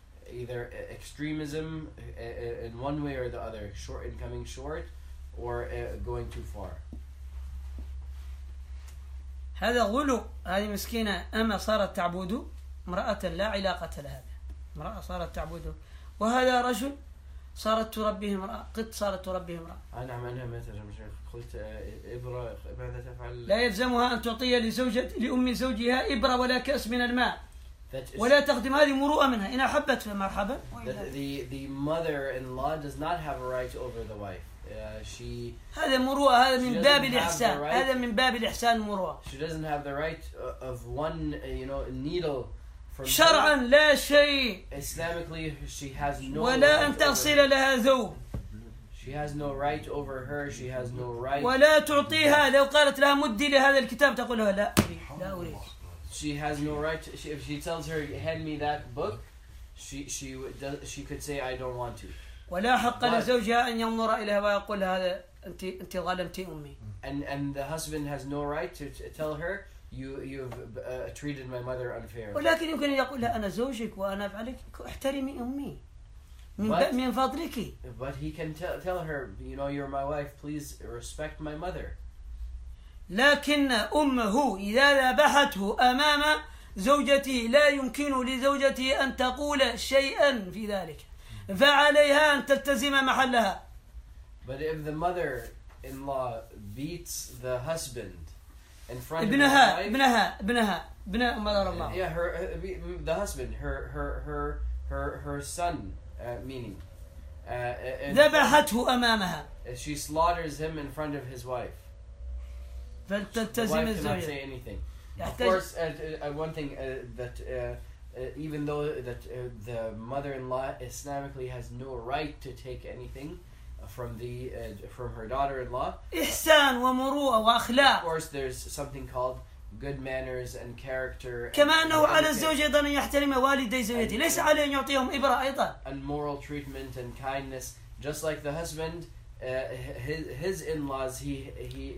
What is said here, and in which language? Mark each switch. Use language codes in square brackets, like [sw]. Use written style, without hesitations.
[en] Either extremism in one way or the other, short and coming short, or going too far. [ar] هذا غلو. هذه مسكينة أما صارت تعبد امرأة لا علاقة لها. امرأة صارت تعبده وهذا رجل صارت تربيه امرأة قط صارت تربيه امرأة. أنا عملها مثلا مشيخ قلت إبرة ماذا تفعل؟ لا يلزمها أن تعطي لأم زوجها إبرة ولا كأس من الماء ولا تخدم هذه مروءة منها إن أحبت فمرحبا. [en] The mother-in-law does not have a right over the wife. She [ar] هذا مروءة هذا من باب الإحسان هذا من باب الإحسان مروءة. [en] She doesn't have the right of one you know needle. [ar] شرعا لا شيء. [en] Islamically, she has no. [ar] ولا أن تغسل لها ذوب. [en] She has no right over her. She has no right. [ar] ولا تعطيها لو قالت لها مدي لهذا الكتاب تقولها لا. لا أريد. [en] She has no right. If she tells her hand me that book, she could say I don't want to. [ar] ولا حق لزوجها أن ينظر إليها ويقول هذا أنت ظلمتي أمي. [en] And the husband has no right to tell her. You've treated my mother unfairly. [ar] ولكن يمكن يقول لها أنا زوجك وأنا أفعلك احترمي أمي من فضلك. [en] But he can tell her, you know, you're my wife. Please respect my mother. [ar] لكن أمه إذا ذبحته أمام زوجته لا يمكن لزوجته أن تقول شيئا في ذلك. فعليها أن تلتزم محلها. [en] But if the mother-in-law beats the husband. In front of [ar] ابنها, [en] wife, [ar] ابنها ابنها ابنها ابنها مدار الله. [en] Yeah, the husband, her son, meaning. [ar] ذبحته أمامها. [en] She slaughters him in front of his wife. [ar] فلتلتزم الزوجة. [en] Wife cannot say anything. يحتاج. Of course, one thing that even though that the mother-in-law Islamically has no right to take anything. From her daughter-in-law. [ar] إحسان ومروءة وأخلاق. [en] Of course, there's something called good manners and character. [ar] كما أنه على الزوج أيضا أن يحترم والدي زوجتي. ليس عليه أن يعطيهم إبرة أيضا. [en] And moral treatment and kindness, just like the husband, his in-laws, he